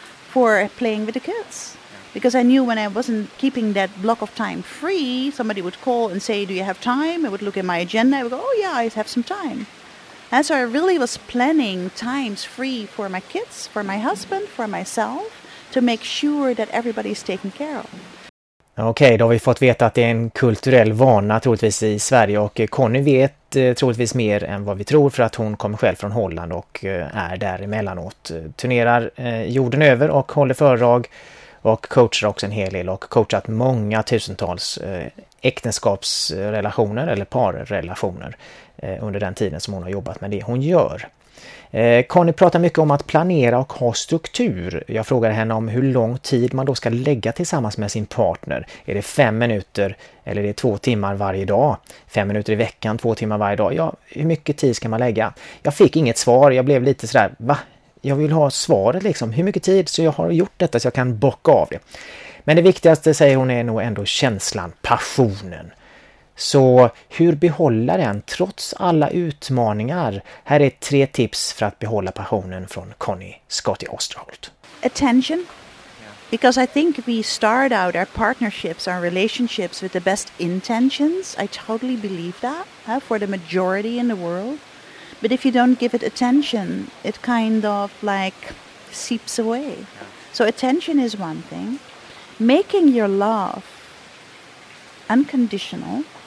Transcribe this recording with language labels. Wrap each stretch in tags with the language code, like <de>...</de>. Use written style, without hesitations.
<en>for playing with the kids. Because I knew when I wasn't keeping that block of time free, somebody would call and say, do you have time? I would look at my agenda. I would go, oh, yeah, I have some time. And so I really was planning times free for my kids, for my husband, for myself, to make sure that everybody is taken care of.</en> <sv>Okej, då har vi fått veta att det är en kulturell vana troligtvis i Sverige, och Conny vet troligtvis mer än vad vi tror, för att hon kommer själv från Holland och är där emellanåt. Turnerar jorden över och håller föredrag och coachar också en hel del, och coachat många tusentals äktenskapsrelationer eller parrelationer under den tiden som hon har jobbat med det hon gör. Conny pratar mycket om att planera och ha struktur. Jag frågar henne om hur lång tid man då ska lägga tillsammans med sin partner. Är det 5 minuter eller är det 2 timmar varje dag? 5 minuter i veckan, 2 timmar varje dag. Ja, hur mycket tid ska man lägga? Jag fick inget svar. Jag blev lite sådär, va? Jag vill ha svaret liksom. Hur mycket tid? Så jag har gjort detta så jag kan bocka av det. Men det viktigaste, säger hon, är nog ändå känslan, passionen. Så hur behålla den trots alla utmaningar? Här är 3 tips för att behålla passionen från Conny Scotty Osterholt.</sv> <en>Attention. Because I think we start out our partnerships, our relationships with the best intentions. I totally believe that for the majority in the world. But if you don't give it attention, it kind of like seeps away. So attention is one thing. Making your love unconditional.</en>